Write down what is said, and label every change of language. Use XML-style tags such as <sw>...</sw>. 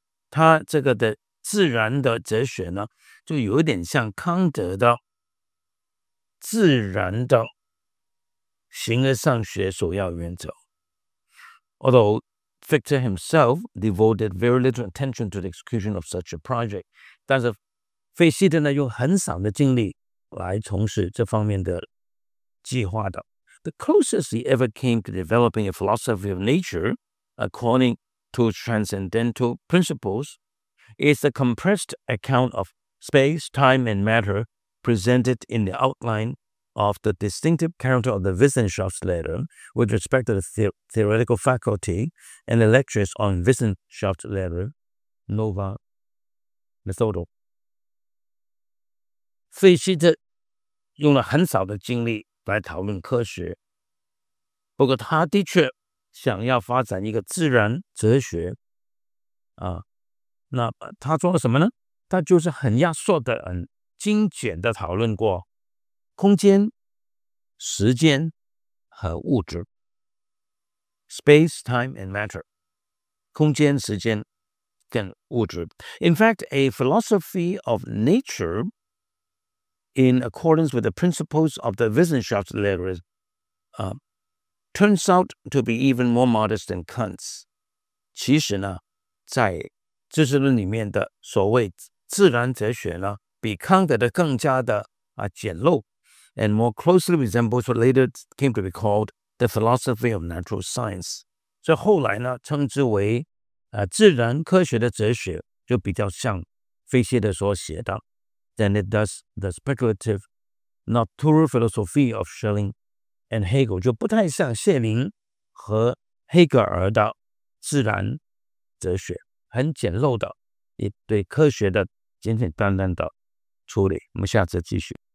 <zh>他这个的自然的哲学呢，就有点像康德的自然的形而上学首要原则。</zh> <en>Although Victor himself devoted very little attention to the execution of such a project，</en> <zh>但是费希特呢用很少的精力来从事这方面的计划的。</zh> <en>The closest he ever came to developing a philosophy of nature according to transcendental principles is the compressed account of space, time and matter presented in the outline of the distinctive character of the Wissenschaftslehrer with respect to the theoretical faculty and the lectures on Wissenschaftslehrer Nova Methodo。</en> <zh>费希特用了很少的精力来讨论科学，不过他的确想要发展一个自然哲学啊。那他做了什么呢？他就是很压缩的、很精简的讨论过空间、时间和物质</zh> <en>（space, time, and matter）。</en> <zh>空间、时间跟物质。</zh> <en>In fact, a philosophy of nature. In accordance with the principles of the Wissenschaftslehrer, turns out to be even more modest than Kant's.</en> <zh>其实呢，在知识论里面的所谓自然哲学呢，比康德的更加的简陋</zh> <en>，and more closely resembles what later came to be called the philosophy of natural science.</en> <zh>所以后来呢，称之为自然科学的哲学，就比较像费希特所写的。</zh> <en>Than it does the speculative Naturphilosophy of Schelling and Hegel，</en> <zh>就不太像谢林和黑格尔的自然哲学，很简陋的，也对科学的简简单单的处理。我们下次继续。</zh>